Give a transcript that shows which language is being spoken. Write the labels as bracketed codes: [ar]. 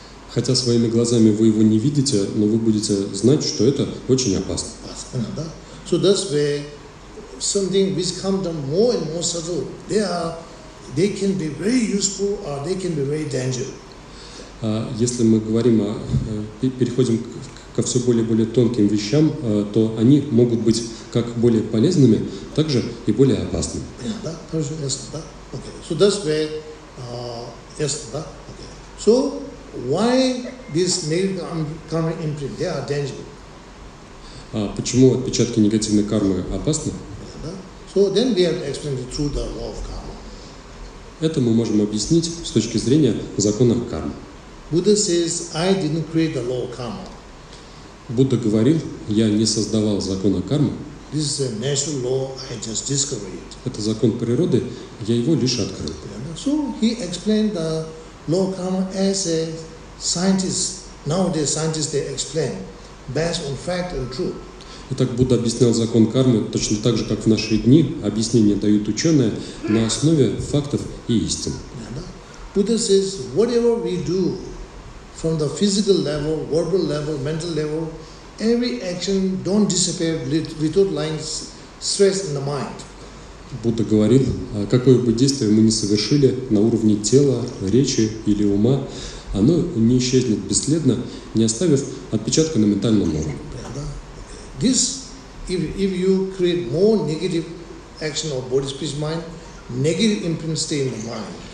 [ru] Хотя своими глазами вы его не видите, но вы будете знать, что это очень опасно. [en] So that's where something which comes down more and more subtle, they can be very useful or they can be very dangerous. [ru] Если мы говорим о переходим ко все более тонким вещам, то они могут быть как более полезными, так же и более опасными. Да, хорошо, ясно, да? Okay. [en] So that's where [ru] ясно, да? Okay. [en] So why these negative karma imprints, they are dangerous? [ru] Почему отпечатки негативной кармы опасны? Да. [en] So then we have explained it through the law of karma. [ru] Это мы можем объяснить с точки зрения закона кармы. [en] Buddha says, I didn't create the law of karma. [ru] Будда говорил, я не создавал закона кармы. [en] This is a natural law, I just discovered. [ru] Это закон природы, я его лишь открыл. [en] So he explained the law of karma as a scientist. Nowadays scientists, they explain based on fact and truth. [ru] Итак, Будда объяснял закон кармы точно так же, как в наши дни объяснения дают ученые на основе фактов и истины. [en] Buddha says, whatever we do, from the physical level, verbal level, mental level, every action don't disappear without lying stress in the mind. [ru] Будда говорил, какое бы действие мы ни совершили на уровне тела, речи или ума, оно не исчезнет бесследно, не оставив отпечатка на ментальном уровне. [en] This, if you create more negative action of body, speech, mind, negative imprint stay in the mind.